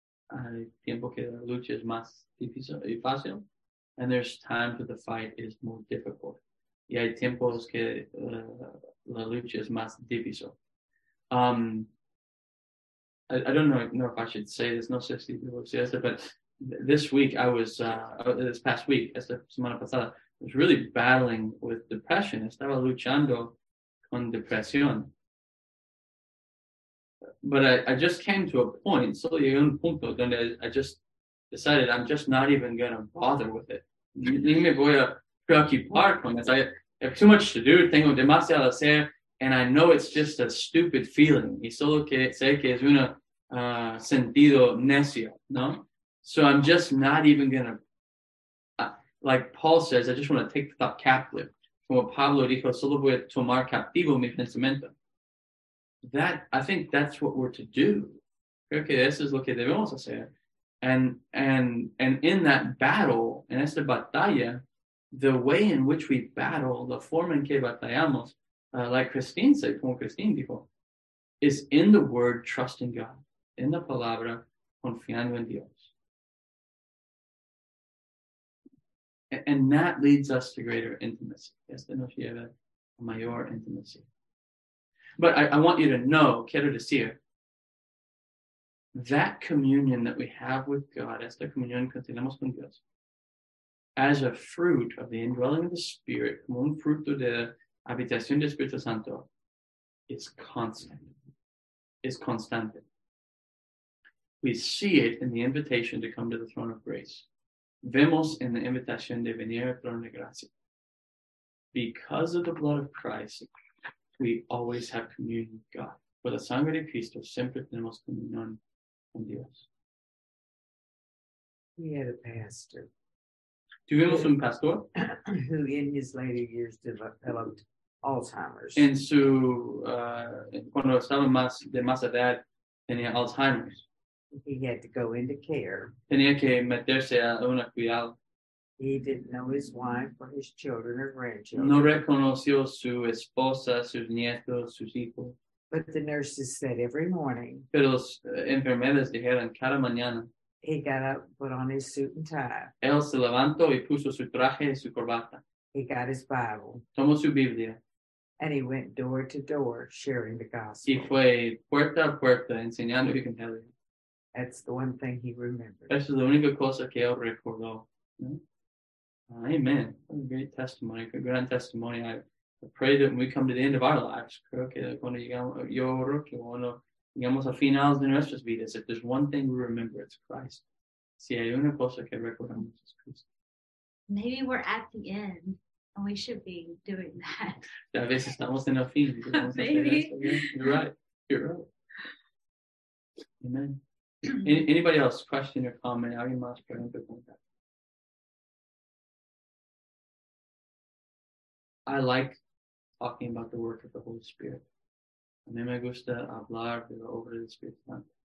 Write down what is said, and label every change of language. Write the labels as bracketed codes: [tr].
[es] Hay tiempo que la lucha es más difícil y fácil. [en] And there's times where the fight is more difficult. [es] Y hay tiempos que la lucha es más difícil. [en] I don't know if I should say this. [es] No sé si debo decir esto, [en] but this week I was, this past week, [es] esta semana pasada, [en] I was really battling with depression. [es] Estaba luchando con depresión. [en] But I just came to a point, [es] solo llegué a un punto donde [en] I just decided I'm just not even going to bother with it. [es] Ni me voy a preocupar con eso. [en] I have too much to do, [es] tengo demasiado que hacer, [en] and I know it's just a stupid feeling. [es] Y solo que sé que es una sentido necio, ¿no? [en] So I'm just not even going to, like Paul says, I just want to take the thought captive. [es] Como Pablo dijo, solo voy a tomar captivo mi pensamiento. [en] That I think that's what we're to do. Okay, this is [es] lo que debemos hacer. [en] And in that battle, [es] en esta batalla, [en] the way in which we battle, the [es] forma en que batallamos, [en] like Christine said, [es] como Christine dijo, [en] is in the word, trusting God, in the [es] palabra, confiando en Dios. [en] And that leads us to greater intimacy. [es] Esta nos lleva a mayor [en] intimacy. But I want you to know, [es] quiero decir, [en] that communion that we have with God, [es] esta comunión que tenemos con Dios, [en] as a fruit of the indwelling of the Spirit, [es] como un fruto de habitación del Espíritu Santo, [en] is constant. Is [es] constante. [en] We see it in the invitation to come to the throne of grace. [es] Vemos en la invitación de venir al trono de gracia. [en] Because of the blood of Christ, we always have communion with God. [es] Por la sangre de Cristo, siempre tenemos comunión con Dios. [en] We had a pastor. [es] Tuvimos un pastor. [en] Who in his later years developed Alzheimer's. [es] En su, cuando estaba más de más edad, tenía Alzheimer's. [en] He had to go into care. [es] Tenía que meterse a una cuidado. [en] He didn't know his wife or his children or grandchildren. [es] No reconoció su esposa, sus nietos, sus hijos. [en] But the nurses said every morning. [es] Pero los enfermeras dijeron cada mañana. [en] He got up, put on his suit and tie. [es] Él se levantó y puso su traje y su corbata. [en] He got his Bible. [es] Tomó su Biblia. [en] And he went door to door sharing the gospel. [es] Y fue puerta a puerta enseñando el evangelio. [en] That's the one thing he remembered. [es] Esa es la única cosa que él recordó. [en] Amen. What a great testimony. A grand testimony. I pray that when we come to the end of our lives, [es] creo que cuando llegamos, yo oro que cuando llegamos a finales de nuestras vidas, [en] if there's one thing we remember, it's Christ. [es] Si hay una cosa que recordamos, es Cristo. [en] Maybe we're at the end, and we should be doing that. [es] A veces estamos en el fin. [en] Maybe. You're right. Amen. Anybody else? Question or comment? [es] Alguien más pregunta con [en] that? I like talking about the work of the Holy Spirit. [es] A mí me gusta hablar de la obra del Espíritu Santo.